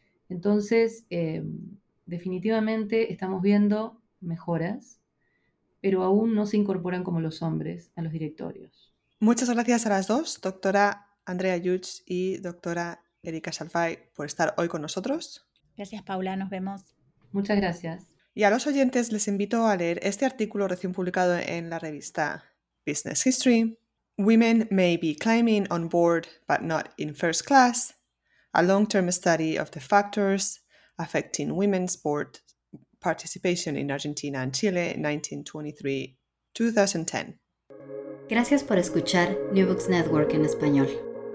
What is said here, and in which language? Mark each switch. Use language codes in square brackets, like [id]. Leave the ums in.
[es] Entonces, definitivamente estamos viendo mejoras, pero aún no se incorporan como los hombres a los directorios. Muchas gracias a las dos, doctora Andrea Yuch y doctora Erika Salfay, por estar hoy con nosotros. Gracias, Paula, nos vemos. Muchas gracias. Y a los oyentes les invito a leer este artículo recién publicado en la revista Business History. [en] Women may be climbing on board but not in first class. A long-term study of the factors affecting women's board participation in Argentina and Chile 1923-2010. [es] Gracias por escuchar New Books Network en español.